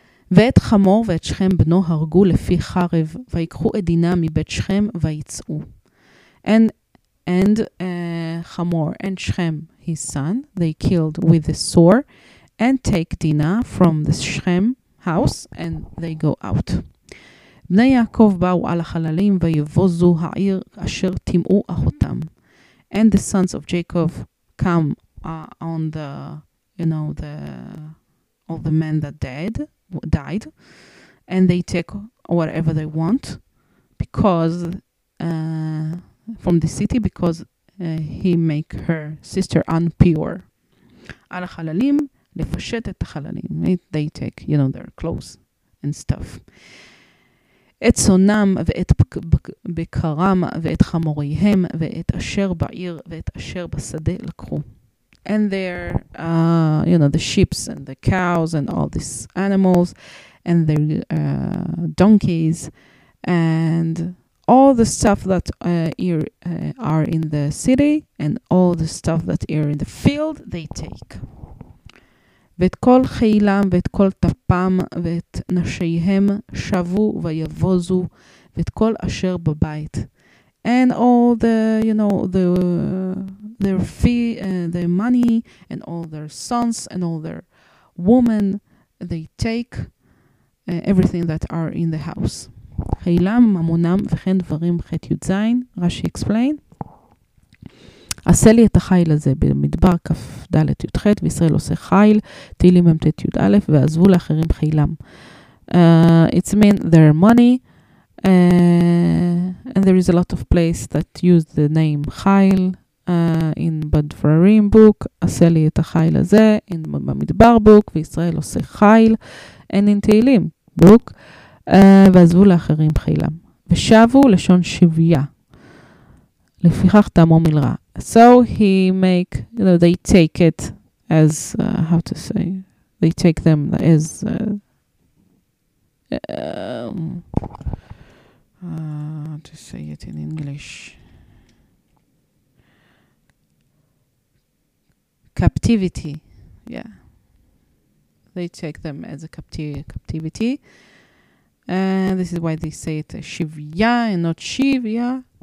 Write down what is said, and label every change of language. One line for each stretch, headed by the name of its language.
Hebrew: ואת חמור ואת שכם בנו הרגו לפי חרב, ויקחו את דינה מבית שכם ויצאו.
English: And חמור and שכם, his son, they killed with the sword, and take דינה from the שכם house, and they go out.
Hebrew: בני יעקב באו על החללים, ויבוזו העיר אשר תימאו אחותם.
English: And the sons of Jacob come on the, you know, the all the men that died, and they take whatever they want, because from the city, because he make her sister unpure.
Hebrew: על החללים, לפשט את החללים.
English: They take, you know, their clothes and stuff.
Hebrew: את צונם ואת בקרם ואת חמוריהם ואת אשר בעיר ואת אשר בשדה לקחו.
English: And their, you know, the sheep and the cows and all these animals and their donkeys and all the stuff that are in the city and all the stuff that are in the field, they take.
Hebrew: ואת כל חילם ואת כל טפם ואת נשיהם שבו ויבוזו ואת כל אשר בבית.
English: And all the, you know, the their fee, their money, and all their sons, and all their women, they take everything that are in the house.
Hebrew: חילם, ממונם, וכן דברים חטי וזין,
English: רשי אקספליין.
Hebrew: עשה לי את החיל הזה במדבר כף דלת יות חט, וישראל עושה חיל, תהילים הם תת יות א', ועזבו לאחרים חילם.
English: It's mean their money, and there is a lot of place that use the name Chayil in Badvarim book,
Hebrew: עשה לי את החיל הזה,
English: in במדבר book,
Hebrew: וישראל עושה חיל,
English: and in תהילים book,
Hebrew: ועזבו לאחרים חילם. ושבו לשון שביה, לפיכך תעמו מלרע.
English: So he make, you know, they take it as, how to say, they take them as, to say it in English, captivity, yeah, they take them as a captivity, and this is why they say it shivya and not shivya.